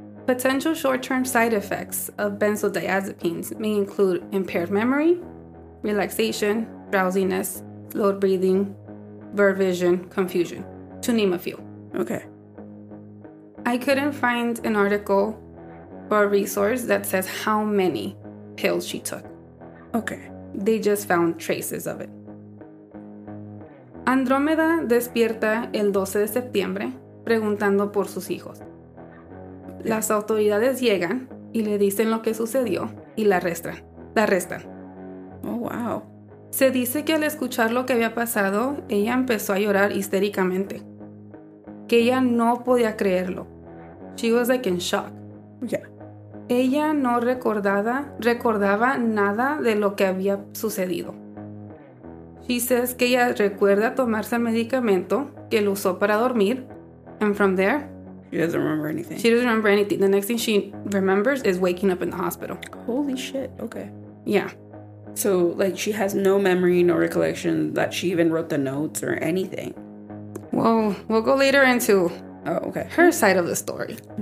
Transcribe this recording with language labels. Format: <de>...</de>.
<en>Potential short-term side effects of benzodiazepines may include impaired memory, relaxation, drowsiness, slowed breathing, blurred vision, confusion, to name a few. Okay. I couldn't find an article or a resource that says how many pills she took. Okay. They just found traces of it.</en> <es>Andrómeda despierta el 12 de septiembre preguntando por sus hijos. Las autoridades llegan y le dicen lo que sucedió y la arrestan.</es> <en>Oh, wow.</en> <es>Se dice que al escuchar lo que había pasado, ella empezó a llorar histéricamente. Que ella no podía creerlo.</es> <en>She was like in shock. Yeah.</en> <es>Ella no recordaba nada de lo que había sucedido.</es> <en>She says</en> <es>que ella recuerda tomarse el medicamento que lo usó para dormir.</es> <en>And from there, she doesn't remember anything. She doesn't remember anything. The next thing she remembers is waking up in the hospital. Holy shit. Okay. Yeah. So, like, she has no memory, no recollection that she even wrote the notes or anything. Well, we'll go later into her side of the story.</en>